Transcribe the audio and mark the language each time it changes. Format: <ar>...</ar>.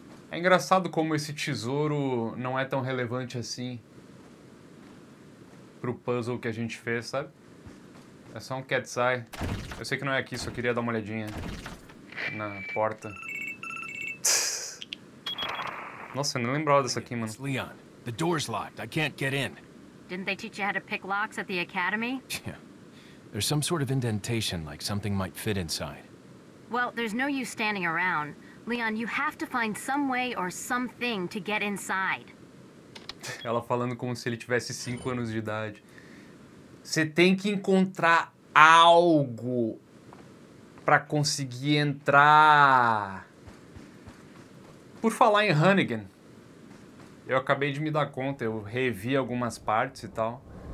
<pt>É engraçado como esse tesouro não é tão relevante assim pro puzzle que a gente fez, sabe? É só um cat's eye. Eu sei que não é aqui, só queria dar uma olhadinha na porta. Nossa, eu nem lembrava dessa aqui, mano.</pt> <en>Leon, the door's locked. I can't get in. Didn't they teach you how to pick locks at the academy? Yeah. There's some sort of indentation, like something might fit inside. Well, there's no use standing around. Leon, you have to find some way or something to get inside.</en> <pt>Ela falando como se ele tivesse 5 anos de idade. Você tem que encontrar algo pra conseguir entrar. Por falar em Hannigan, eu acabei de me dar conta, eu revi algumas partes e tal.</pt>